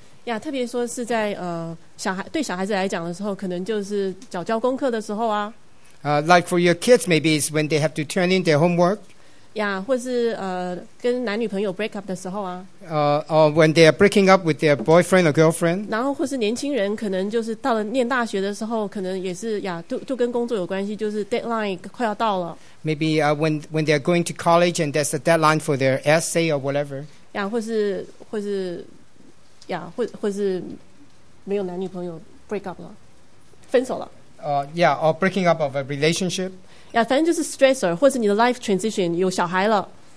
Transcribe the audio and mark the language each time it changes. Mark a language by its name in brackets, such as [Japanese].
[Chinese] 呀，特别说是在对小孩子来讲的时候，可能就是早教功课的时候啊。 [English] Like for your kids, maybe it's when they have to turn in their homework. [Chinese] 呀，或是跟男女朋友 [English] break up [Chinese] 的时候啊。 [English] When they are breaking up with their boyfriend or girlfriend. [Chinese] 然后或是年轻人可能就是到了念大学的时候，可能也是呀，就跟工作有关系，就是 deadline 快要到了。 [English] Maybe when they are going to college and there's a deadline for their essay or whatever. [Chinese] 呀，或是没有男女朋友 [English] break up [Chinese] 了，分手了。 [English] Yeah, or breaking up of a relationship. [Chinese] 呀，反正就是 stressor， 或是你的 [English] life transition [Chinese] 有小孩了。